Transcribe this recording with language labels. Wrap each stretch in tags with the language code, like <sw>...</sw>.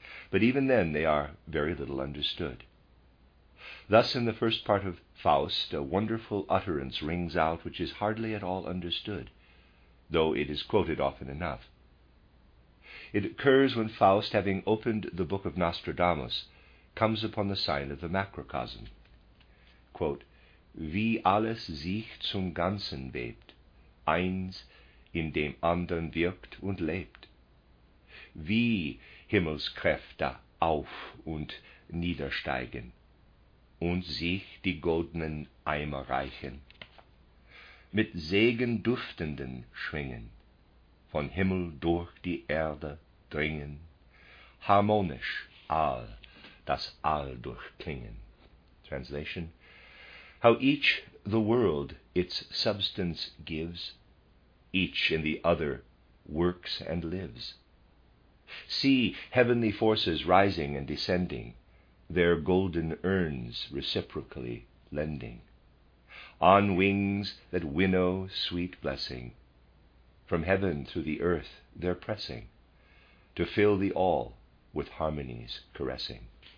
<en>But even then they are very little understood. Thus in the first part of Faust a wonderful utterance rings out which is hardly at all understood, though it is quoted often enough. It occurs when Faust, having opened the book of Nostradamus, comes upon the sign of the macrocosm.</en> <de>Quote, wie alles sich zum Ganzen webt, eins in dem andern wirkt und lebt. Wie Himmelskräfte auf- und niedersteigen und sich die goldenen Eimer reichen, mit Segen duftenden Schwingen von Himmel durch die Erde dringen, harmonisch all das All durchklingen.</de> <en>Translation: how each the world its substance gives, each in the other works and lives. See heavenly forces rising and descending, their golden urns reciprocally lending, on wings that winnow sweet blessing, from heaven through the earth they're pressing, to fill the all with harmonies caressing.</en>